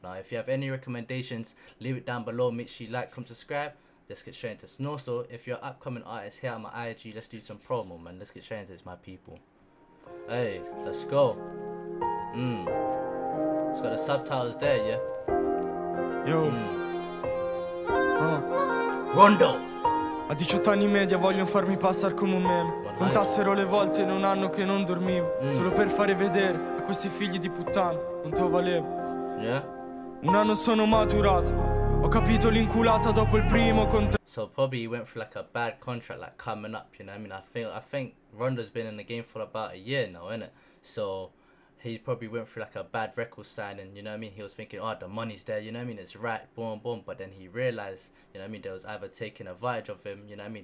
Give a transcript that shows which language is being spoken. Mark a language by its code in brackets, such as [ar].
[en] Now, if you have any recommendations, leave it down below. Make sure you like, comment, subscribe. Let's get straight into this. Also, if you're an upcoming artist here on my IG, let's do some promo, man. Let's get straight into this, my people. Hey, let's go. It's got the subtitles there, yeah? Yo. Rondo! [it] A 18 anni media vogliono farmi passare come un meme. Contassero le volte in un anno che non dormivo. Solo per fare vedere a questi figli di puttana quanto valevo. Un anno sono maturato. Ho capito l'inculata dopo il primo contratto. [en] So probably he went through like a bad contract, like coming up, you know what I mean? I think Rondo's been in the game for about a year now, innit? So he probably went through like a bad record signing, you know what I mean? He was thinking, oh, the money's there, you know what I mean? It's right, boom, boom. But then he realized, you know what I mean? They was either taking advantage of him, you know what I mean?